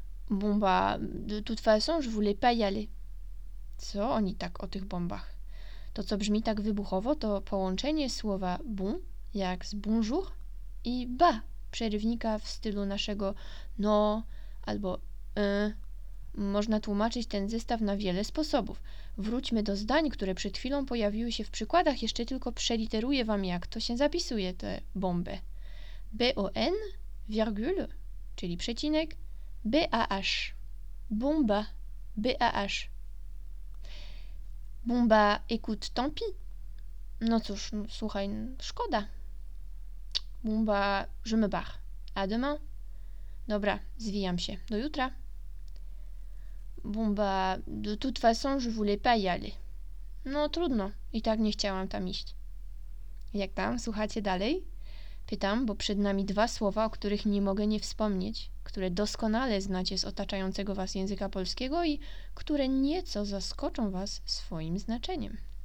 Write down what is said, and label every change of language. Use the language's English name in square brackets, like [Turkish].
[French] Bomba, de toute façon, je voulais pas y aller. [Polish] Co oni tak o tych bombach? To, co brzmi tak wybuchowo, to połączenie słowa bon, jak z bonjour, i ba, przerywnika w stylu naszego no albo Można tłumaczyć ten zestaw na wiele sposobów. Wróćmy do zdań, które przed chwilą pojawiły się w przykładach. Jeszcze tylko przeliteruję wam, jak to się zapisuje, tę bombę. B-O-N, virgule, czyli przecinek, B-A-H, bomba, B-A-H. [French] Bomba, écoute, tant pis. [Polish] No cóż, słuchaj, szkoda. [French] Bomba, je me barre. A demain? [Polish] Dobra, zwijam się. Do jutra. [French] Bomba, de toute façon, je voulais pas y aller. [Polish] No trudno, i tak nie chciałam tam iść. Jak tam, słuchacie dalej? Pytam, bo przed nami dwa słowa, o których nie mogę nie wspomnieć, które doskonale znacie z otaczającego was języka polskiego i które nieco zaskoczą was swoim znaczeniem.